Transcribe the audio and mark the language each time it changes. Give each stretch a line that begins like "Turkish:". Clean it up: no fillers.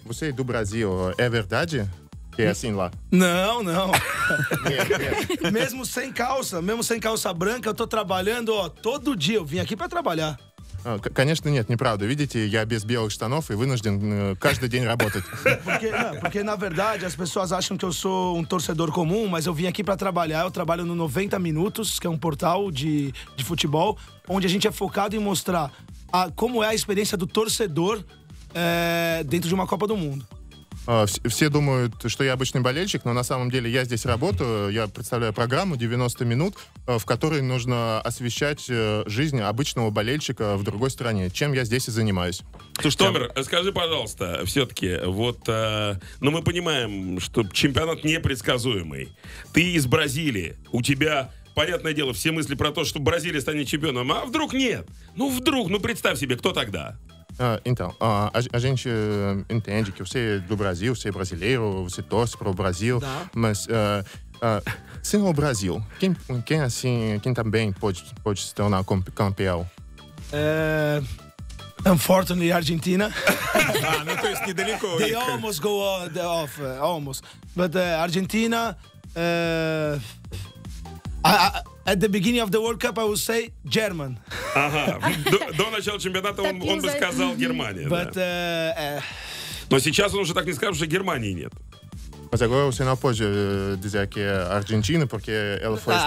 Portuguese: Você é do Brasil, é verdade? Que é assim lá. Não, não. Mesmo sem calça, mesmo sem calça branca, eu tô trabalhando, ó, todo dia. Eu vim aqui pra trabalhar.
Russian: Конечно, нет, неправда. Видите, я без белых штанов и вынужден каждый день работать.
Portuguese: Porque,
Russian: на
Portuguese: verdade, as pessoas acham que eu sou torcedor comum, mas eu vim aqui pra trabalhar. Eu trabalho no 90 Minutos, que é portal de futebol, onde a gente é focado em mostrar como é a experiência do torcedor dentro de uma Copa do Mundo.
Russian: Все думают, что я обычный болельщик, но на самом деле я здесь работаю, я представляю программу 90 минут, в которой нужно освещать жизнь обычного болельщика в другой стране, чем я здесь и занимаюсь. Томер, скажи, пожалуйста, все-таки, вот, ну мы понимаем, что чемпионат непредсказуемый, ты из Бразилии, у тебя, понятное дело, все мысли про то, что Бразилия станет чемпионом, а вдруг нет? Ну вдруг, ну представь себе, кто тогда?
Portuguese: Então, a gente entende que você é do Brasil, você é brasileiro, você torce para o Brasil,
Russian: da.
Portuguese: Mas sem o Brasil, quem assim, quem também pode se tornar campeão?
English: Unfortunately, Argentina.
Portuguese: Ah, não estou aqui delicado.
English: They almost go off, almost. But Argentina, at the beginning of the World Cup, I would say German.
Russian: До начала чемпионата он бы сказал Германия.
English: But,
Russian: да. Но сейчас он уже так не скажет, что Германии нет.
Portuguese: Mas agora você não pode dizer que é Argentina, porque ela foi expulsa.